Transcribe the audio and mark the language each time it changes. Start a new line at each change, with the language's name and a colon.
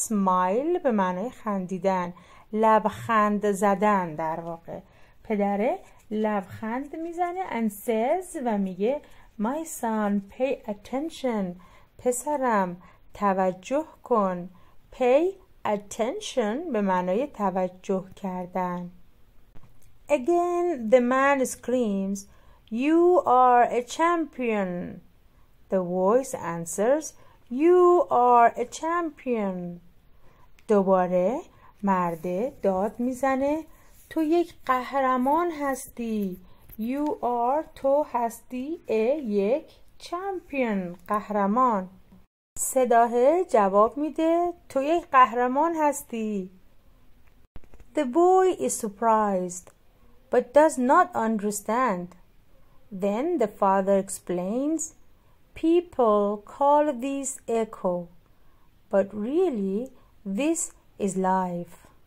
Persian: Smile به معنی خندیدن، لبخند زدن در واقع. پدره لبخند میزنه
English: and says
Persian: و میگه
English: my son pay attention.
Persian: پسرم توجه کن.
English: Pay attention
Persian: به معنای توجه کردن.
English: Again the man screams you are a champion. The voice answers you are a champion.
Persian: دوباره مرد داد میزنه تو یک قهرمان هستی.
English: You are
Persian: تو هستی
English: a
Persian: یک
English: champion
Persian: قهرمان. صداه جواب میده تو یک قهرمان هستی.
English: The boy is surprised but does not understand. Then the father explains people call this echo but really this is life.